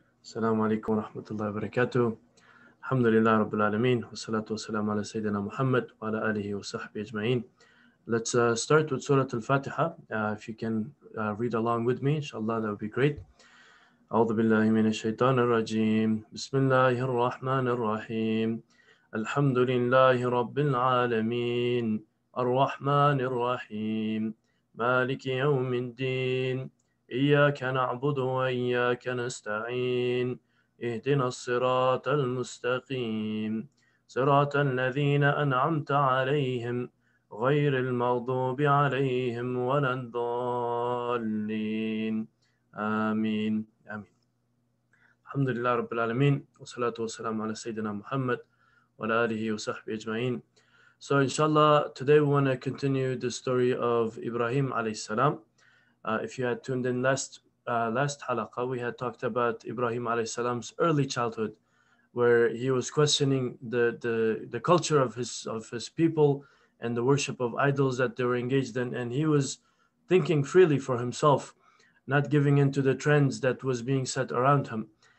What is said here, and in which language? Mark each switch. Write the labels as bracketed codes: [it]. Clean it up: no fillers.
[ar] السلام عليكم ورحمة الله وبركاته. الحمد لله رب العالمين، والصلاة والسلام على سيدنا محمد وعلى آله وصحبه أجمعين. [en] Let's start with سورة الفاتحة. If you can read along with me, inshallah, that would be great. [ar] أعوذ بالله من الشيطان الرجيم. بسم الله الرحمن الرحيم. الحمد لله رب العالمين. الرحمن الرحيم. مالك يوم الدين. إياك نعبد وإياك نستعين اهدنا الصراط المستقيم صراط الذين أنعمت عليهم غير المغضوب عليهم ولا الضالين آمين آمين الحمد لله رب العالمين والصلاة والسلام على سيدنا محمد وعلى آله وصحبه أجمعين. [en] So inshallah, today we want to continue the story of Ibrahim عليه السلام. If you had tuned in last halaqa, we had talked about Ibrahim alayhi salam's early childhood, where he was questioning the culture of his people and the worship of idols that they were engaged in, and he was thinking freely for himself, not giving in to the trends that was being set around him.